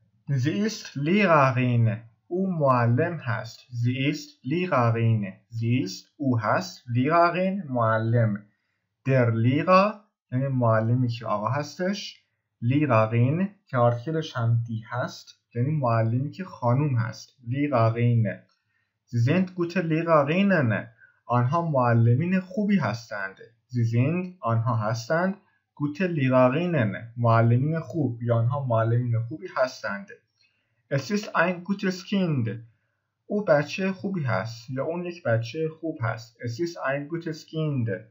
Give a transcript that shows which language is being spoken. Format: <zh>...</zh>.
<de>Sie ist Lehrerin.</de> <fa>او معلم هست.</fa> <de>Sie ist Lehrerin. Sie ist,</de> <fa>او هست. Lehrerin, معلم.</fa> <de>Der Lehrer,</de> <fa>یعنی معلمی که آقا هستش. Lehrerin, که آرتیکلش هم دی هست. یعنی معلمی که خانوم هست. Lehrerin.</fa> <de>Sie sind gute Lehrerinnen.</de> <fa>آنها معلمین خوبی هستند.</fa> <de>Sie sind,</de> <fa>آنها هستند.</fa> <de>Gute Lehrerinnen.</de> <fa>معلمین خوب. یا آنها معلمین خوبی هستند.</fa> <de>Es ist ein gutes Kind.</de> <fa>او بچه خوبی هست. یا اون یک بچه خوب هست.</fa> <de>Es ist ein gutes Kind.</de>